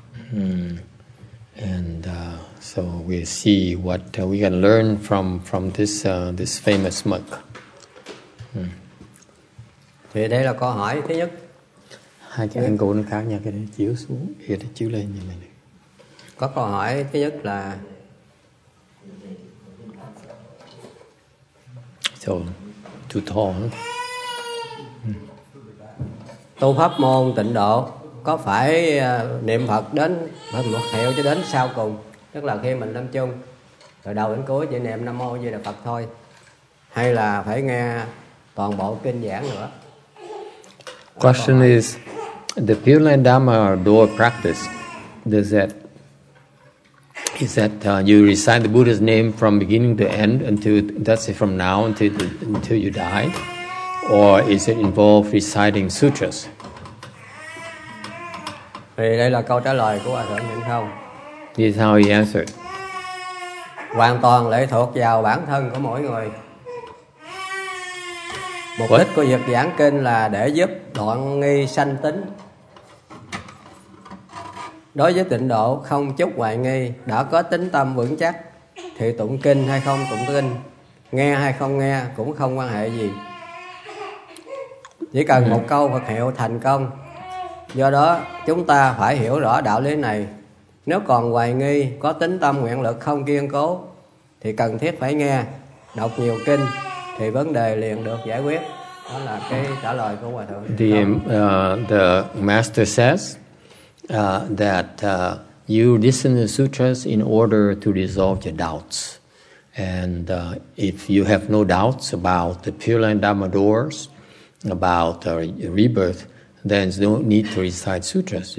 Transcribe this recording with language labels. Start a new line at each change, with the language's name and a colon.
English: And so we'll see what we can learn from this this famous monk.
Vietnamese: Thì đây là câu hỏi thứ nhất. Hai cái angle nó khác nha, cái này chiếu xuống, kia nó chiếu lên như này. Có câu hỏi thứ nhất là
English: so, too tall.
Vietnamese: Tu pháp môn tịnh độ có phải niệm Phật đến phải một hiệu cho đến sau cùng, tức là khi mình lâm chung rồi đầu đến cuối chỉ niệm Nam Mô A Di Đà Phật thôi, hay là phải nghe toàn bộ kinh giảng nữa?
English: Question is, the Pure Land Dharma or dual practice, is that you recite the Buddha's name from beginning to end until, that's it, from now until you die, or is it involve reciting sutras?
Vietnamese: Thì đây là câu trả lời của Hòa Thượng Tịnh Không.
English: This is how he answered.
Vietnamese: Hoàn toàn lệ thuộc vào bản thân của mỗi người. Mục
English: What?
Vietnamese: Đích của việc giảng kinh là để giúp đoạn nghi sanh tính. Đối với tịnh độ không chút hoài nghi, đã có tính tâm vững chắc, thì tụng kinh hay không tụng kinh, nghe hay không nghe cũng không quan hệ gì. Chỉ cần một câu Phật hiệu thành công. Do đó chúng ta phải hiểu rõ đạo lý này. Nếu còn hoài nghi, có tính tâm nguyện lực không kiên cố, thì cần thiết phải nghe, đọc nhiều kinh, thì vấn đề liền được giải quyết. Đó là cái trả lời của Hòa Thượng.
English: The Master says that you listen to sutras in order to resolve your doubts. And if you have no doubts about the Pure Land Dharma doors, about rebirth, then there's no need to recite sutras.